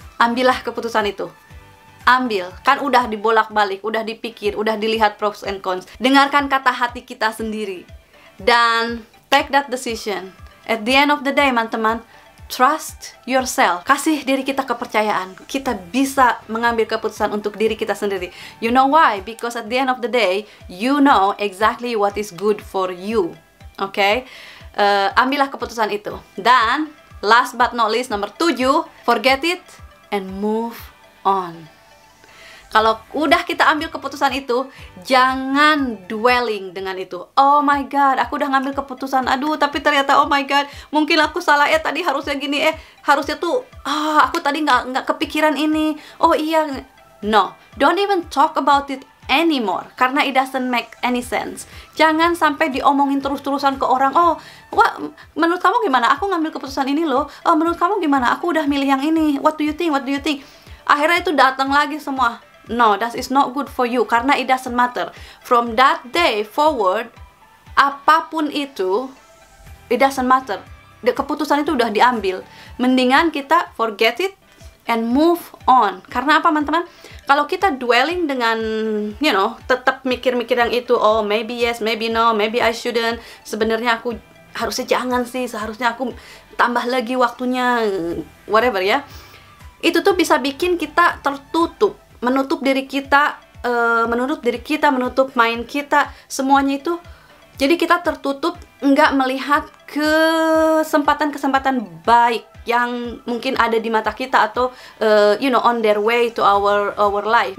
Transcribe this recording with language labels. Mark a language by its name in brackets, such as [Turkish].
[Indonesian] Ambillah keputusan itu. Ambil, kan udah dibolak-balik, udah dipikir, udah dilihat pros and cons. Dengarkan kata hati kita sendiri. Dan [English] take that decision. At the end of the day, [Indonesian] teman-teman, [English] trust yourself. [Indonesian] Kasih diri kita kepercayaan. Kita bisa mengambil keputusan untuk diri kita sendiri. [English] You know why? Because at the end of the day, you know exactly what is good for you. Okay? [Indonesian] Ambillah keputusan itu. Dan last but not least, nomor 7, forget it and move on. Kalau udah kita ambil keputusan itu, jangan dwelling dengan itu. Oh my God, aku udah ngambil keputusan. Aduh, tapi ternyata oh my God, mungkin aku salah ya tadi harusnya gini. Harusnya tuh aku tadi nggak kepikiran ini. Oh iya, [English] no, don't even talk about it anymore. [Indonesian] Karena [English] it doesn't make any sense. [Indonesian] Jangan sampai diomongin terus-terusan ke orang. Oh, what, menurut kamu gimana? Aku ngambil keputusan ini loh. Oh, menurut kamu gimana? Aku udah milih yang ini. [English] What do you think? [Indonesian] Akhirnya itu datang lagi semua. [English] No, that is not good for you. [Indonesian] Karena [English] it doesn't matter. [Indonesian] From that day forward, apapun itu, [English] it doesn't matter. [Indonesian] Keputusan itu udah diambil. Mendingan kita [English] forget it and move on. [Indonesian] Karena apa, teman-teman? Kalau kita dwelling dengan, you know, tetap mikir-mikir yang itu, oh, [English] maybe yes, maybe no, maybe I shouldn't. [Indonesian] Sebenarnya aku harusnya jangan sih, seharusnya aku tambah lagi waktunya, whatever ya. Itu tuh bisa bikin kita tertutup, menutup diri kita, menutup mind kita, semuanya itu. Jadi kita tertutup, nggak melihat kesempatan-kesempatan baik yang mungkin ada di mata kita atau you know, [English] on their way to our life.